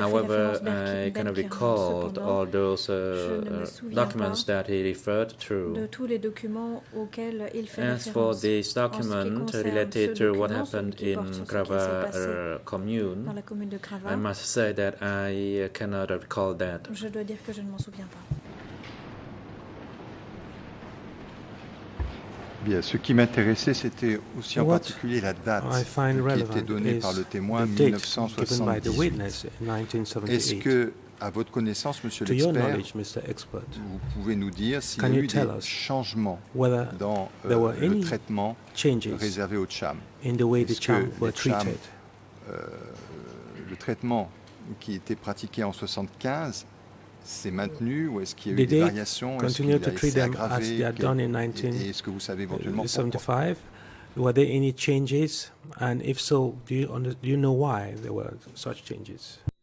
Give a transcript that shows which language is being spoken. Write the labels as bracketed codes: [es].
[en] However, I cannot recall all those documents that he referred to. [fr] De tous les documents auxquels il fait [en] as for this document related to what happened in Krava commune, I must say that I cannot recall that. [fr] Je dois dire que je ne m'en souviens pas. Bien, ce qui m'intéressait, c'était aussi en particulier la date qui était donnée par le témoin, 1978. Est-ce que, à votre connaissance, monsieur l'expert, vous pouvez nous dire s'il y a eu des changements dans le traitement réservé aux Cham? Le traitement qui était pratiqué en 1975 s'est maintenu ou est-ce qu'il y a eu des variations? Est-ce qu'il a été aggravé? [en] As they had done in 19, [fr] et est-ce que vous savez éventuellement pourquoi? [en] 75, were there any changes? And if so, do you know why there were such changes?